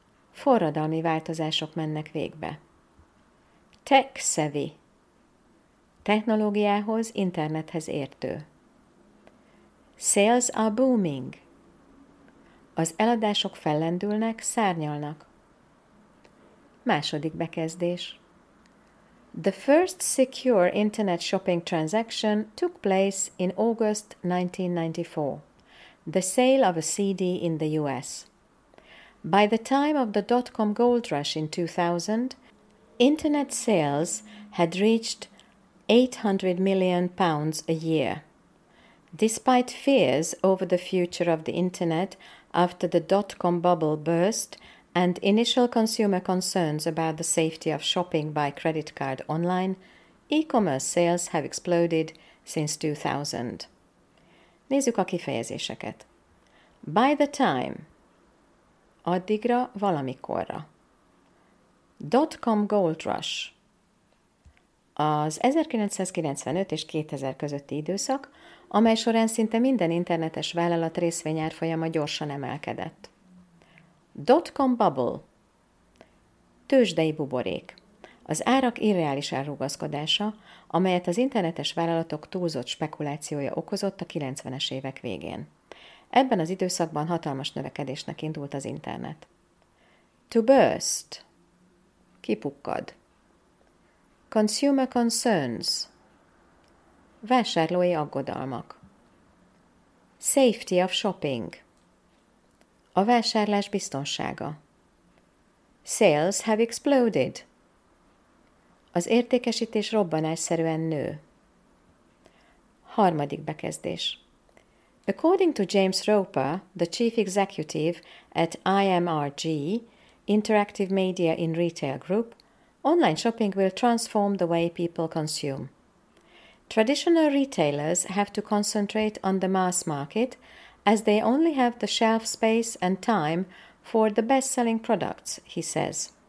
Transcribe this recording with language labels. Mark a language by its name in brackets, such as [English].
[Hungarian] Forradalmi változások mennek végbe. [English] Tech-savvy. [Hungarian] Technológiához, internethez értő. [English] Sales are booming. [Hungarian] Az eladások fellendülnek, szárnyalnak. Második bekezdés. [English] The first secure internet shopping transaction took place in August 1994. The sale of a CD in the US. By the time of the dot-com gold rush in 2000, internet sales had reached £800 million a year. Despite fears over the future of the internet after the dot-com bubble burst and initial consumer concerns about the safety of shopping by credit card online, e-commerce sales have exploded since 2000. [Hungarian] Nézzük a kifejezéseket. [English] By the time. [Hungarian] Addigra, valamikorra. [English] Dot-com gold rush. [Hungarian] az 1995 és 2000 közötti időszak, amely során szinte minden internetes vállalat részvényárfolyama gyorsan emelkedett. [English] Dotcom bubble. [Hungarian] Tőzsdei buborék. Az árak irreális elrugaszkodása, amelyet az internetes vállalatok túlzott spekulációja okozott a 90-es évek végén. Ebben az időszakban hatalmas növekedésnek indult az internet. [English] To burst. [Hungarian] Kipukkad. [English] Consumer concerns. [Hungarian] Vásárlói aggodalmak. [English] Safety of shopping. [Hungarian] A vásárlás biztonsága. [English] Sales have exploded. [Hungarian] Az értékesítés robbanásszerűen nő. Harmadik bekezdés. [English] According to James Roper, the chief executive at IMRG, Interactive Media in Retail Group, online shopping will transform the way people consume. Traditional retailers have to concentrate on the mass market as they only have the shelf space and time for the best-selling products, he says.